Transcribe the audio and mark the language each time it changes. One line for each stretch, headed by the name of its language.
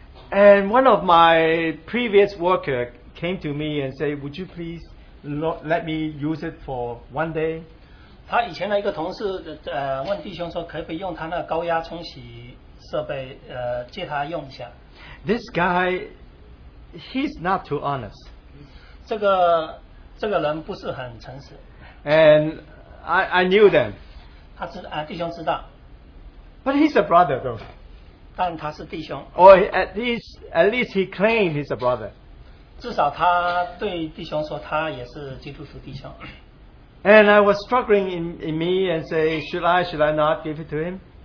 English: And one of my previous worker came to me and said, "Would you please let me use it for one day?"
Chinese: 他以前的一个同事问弟兄说，可不可以用他那高压冲洗设备借他用一下？
English: This guy, he's not too honest.
Chinese: 这个人不是很诚实。
English: And I knew them.
Chinese: 弟兄知道。
English: But he's a brother though.
Chinese: 但他是弟兄。
English: Or at least he claimed he's a brother.
Chinese: 至少他对弟兄说他也是基督徒弟兄。
English: And I was struggling in me and say, should I not give it to him?